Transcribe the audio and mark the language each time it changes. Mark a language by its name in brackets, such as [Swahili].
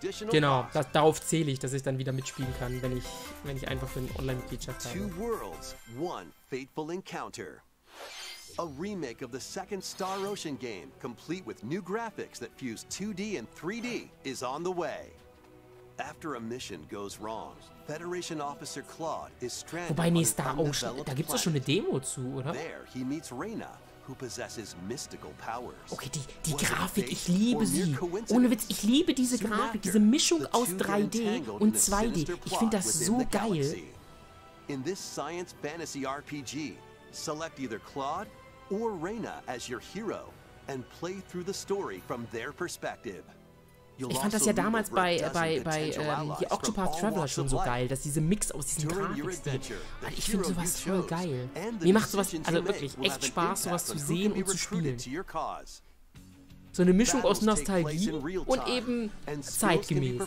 [German] Genau, darauf zähle ich, dass ich dann wieder mitspielen kann, wenn ich einfach für eine Online-Mitgliedschaft habe. [English] Two worlds, one fateful encounter. A remake of the second Star Ocean game, complete with new graphics that fuse 2D and 3D, is on the way. After a mission goes wrong, Federation Officer Claude is stranded. [German] Wobei, nee, Star Ocean, da gibt's doch schon eine Demo zu, oder? [English] There he meets Reyna, who possesses mystical powers. [German] Okay, die Grafik, ich liebe sie. Ohne Witz, ich liebe diese Grafik, diese Mischung aus 3D und 2D. Ich finde das so geil. [English] In this science fantasy RPG, select either Claude or Reyna as your hero and play through the story from their perspective. [German] Ich fand das ja damals bei Octopath Traveler schon so geil, dass diese Mix aus diesen Grafikstilen. Ich finde sowas voll geil. Mir macht sowas, also wirklich, echt Spaß, sowas zu sehen und zu spielen. So eine Mischung aus Nostalgie und eben zeitgemäß.